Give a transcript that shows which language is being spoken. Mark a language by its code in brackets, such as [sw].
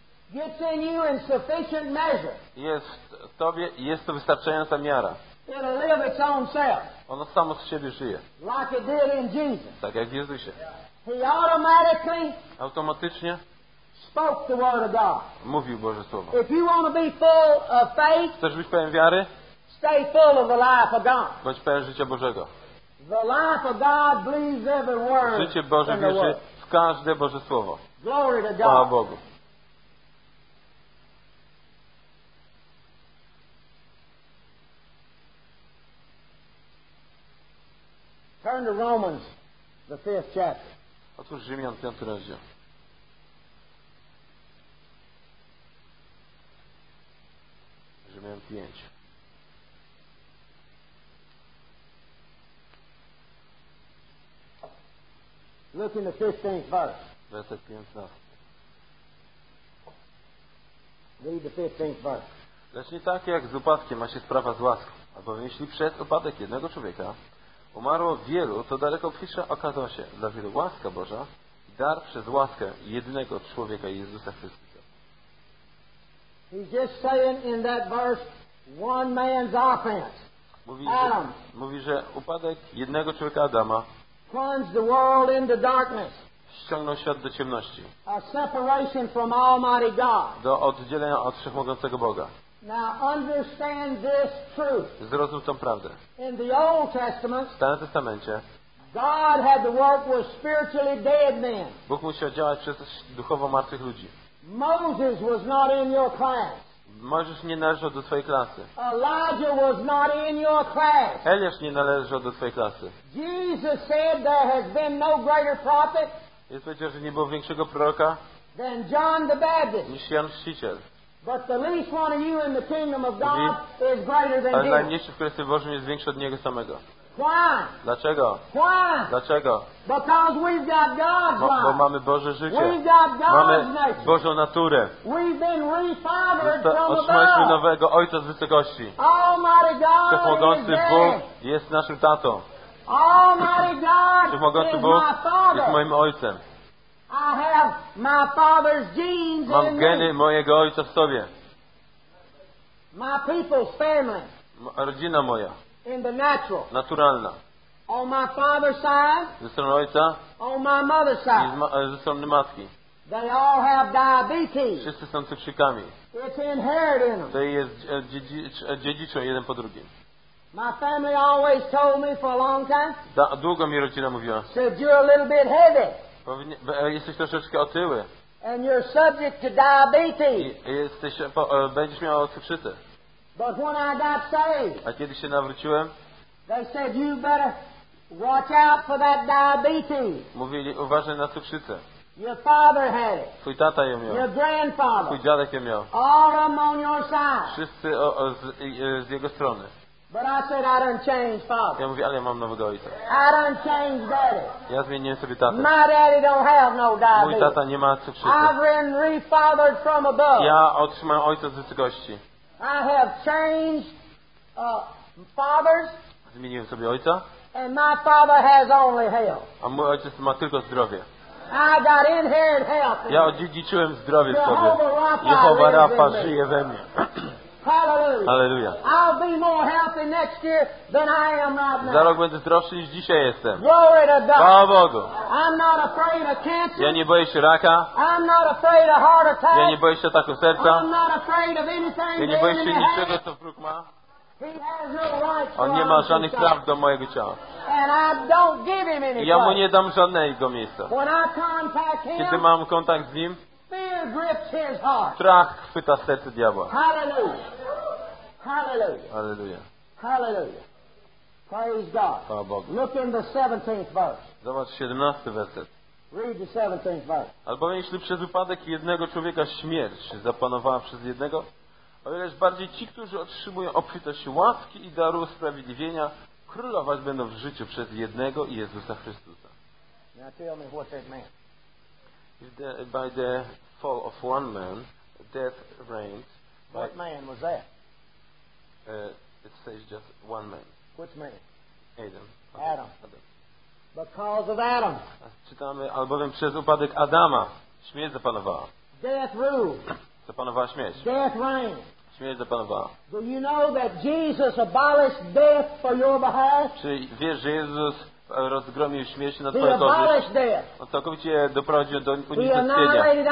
[en] gets in you in sufficient measure, [pl] jest w tobie, jest to wystarczająca miara. [en] It'll live its own self, [pl] ono samo z siebie żyje. [en] Like it did in Jesus. [pl] Tak jak w Jezusie. [en] He automatically [pl] automatycznie [en] spoke the word of God. [pl] Mówił Boże Słowo. [en] If you want to be full of faith, [pl] chcesz być pełen wiary, [en] Stay full of the life of God. [pl] Bądź pełen życia Bożego. [en] The life of God bleeds every word. [pl] Życie Boże bierze w każde Boże słowo. [en] Glory to God. [pl] Chwała Bogu. [en] Turn to Romans, the fifth chapter. [pl] Otwórz Rzymian, piąty rozdział. Rzymian 5. [en] Look in the 15th verse. [pl] Werset 15. [en] Read the 15th verse. [pl] Lecz nie tak jak z upadkiem ma się sprawa z łaską. Albowiem jeśli przez upadek jednego człowieka umarło wielu, to daleko bliższa okazał się dla wielu łaska Boża i dar przez łaskę jednego człowieka Jezusa Chrystusa. [en] He's just saying in that verse, one man's offense. [pl] Mówi, Adam. Mówi, że upadek jednego człowieka Adama [en] plunged the world into darkness. [pl] Ściągnął świat do ciemności. [en] A separation from Almighty God. [pl] Do oddzielenia od wszechmogącego Boga. [en] Now understand this truth. [pl] Zrozum tą prawdę. [en] In the Old Testament, [pl] w Starym Testamencie, [en] God had to work with spiritually dead men. [pl] Bóg musiał działać przez duchowo martwych ludzi. [en] Moses was not in your class. [pl] Mojżesz nie należał do twojej klasy. [en] Elijah was not in your class. [pl] Eliasz nie należał do twojej klasy. [en] Jesus said there has been no greater prophet. [pl] Jezus powiedział, że nie było większego proroka [en] than John the Baptist. [pl] Niż Jan Chrzciciel. [en] But the least one of you in the kingdom of God is greater than him. [pl] Ale najmniejszy w Królestwie Bożym jest większy od niego samego. [en] Why? [pl] Dlaczego? [en] Why? [pl] Dlaczego? [en] Because we've got God's life. [pl] Bo mamy Boże życie. [en] We've got God's [pl] mamy [en] nature. [pl] Bożą naturę. [en] We've been refathered [pl] otrzymaliśmy nowego Ojca z wysokości. [en] Almighty God is [pl] Wszechmogący Bóg jest naszym tatą. [en] Almighty God is my father. [pl] Jest moim ojcem. [en] I have my father's genes [pl] mam geny mojego ojca w sobie. [en] My people's family. [pl] Rodzina moja. [en] In the natural. [pl] Naturalna. [en] On my father's side. [pl] Ze strony ojca. [en] On my mother's side. [pl] Ze strony matki. [en] They all have diabetes. [pl] Wszyscy są cukrzykami. [en] It's inherited in them. [pl] To jest dziedziczą jeden po drugim. [en] My family always told me for a long time. [pl] Długo mi rodzina mówiła. [en] Said you're a little bit heavy. [pl] Jesteś troszeczkę otyły. [en] And you're subject to diabetes. [pl] Będziesz miał cukrzycę. [en] But when I got saved, [pl] a kiedy się nawróciłem, [en] they said you better watch out for that diabetes. [pl] Mówili, uważaj na cukrzycę. [en] Your father had it. [pl] Twój tata ją miał. [en] Your grandfather. [pl] Twój dziadek ją miał. [en] All of them on your side. [pl] Wszyscy z jego strony. [en] But I said I done changed father. [pl] Ja mówię, ale ja mam nowego ojca. [en] I done changed daddy. [pl] Ja zmieniłem sobie tatę. [en] My daddy don't have no diabetes. [pl] Mój tata nie ma cukrzycy. [en] I've been refathered from above. [pl] Ja otrzymałem ojca z wysokości. [en] I have changed fathers. [pl] Zmieniłem sobie ojca. [en] And my father has only health. [pl] A mój ojciec ma tylko zdrowie. [en] I got inherited health. [pl] Ja odziedziczyłem zdrowie w sobie. Jehowa Rafa żyje we mnie. [en] Hallelujah. I'll be more healthy next year than I am right now. [pl] Za rok będę zdrowszy niż dzisiaj jestem. [en] Glory to God. [pl] Chwała Bogu. [en] I'm not afraid of cancer. [pl] Ja nie boję się raka. [en] I'm not afraid of heart attack. [pl] Ja nie boję się ataku serca. [en] I'm not afraid of anything. [pl] Ja nie boję się niczego, co wróg ma. [en] He has no right to [pl] on nie ma żadnych praw do mojego ciała. [en] And I don't give him any [pl] ja mu nie dam żadnego miejsca. [en] When I contact him, [pl] kiedy mam kontakt z nim, [en] fear grips his heart. [pl] Strach chwyta serce diabła. [en] Hallelujah. Hallelujah. Hallelujah. Praise God. [pl] Chwała Bogu. [en] Look in the 17th verse. [pl] Zobacz 17 werset. [en] Read the 17th verse. [pl] Albowiem jeśli przez upadek jednego człowieka śmierć zapanowała przez jednego, o ileż bardziej ci, którzy otrzymują obfitość łaski i daru usprawiedliwienia, królować będą w życiu przez jednego Jezusa Chrystusa. [en] Now tell me what that means. If the, by the fall of one man, death reigns. What man was that? It says just one man. Which man? Adam. Adam. Adam. Because of Adam. [pl] Czytamy, albowiem przez upadek Adama śmierć zapanowała. [en] Death rule. [pl] Zapanowała śmierć. [en] Death reigns. [pl] Śmierć zapanowała. [en] Do you know that Jesus abolished death for your behalf? [pl] Czy wiesz, że Jezus rozgromił śmierć na Twoje korzyść. On całkowicie doprowadził do unicestwienia.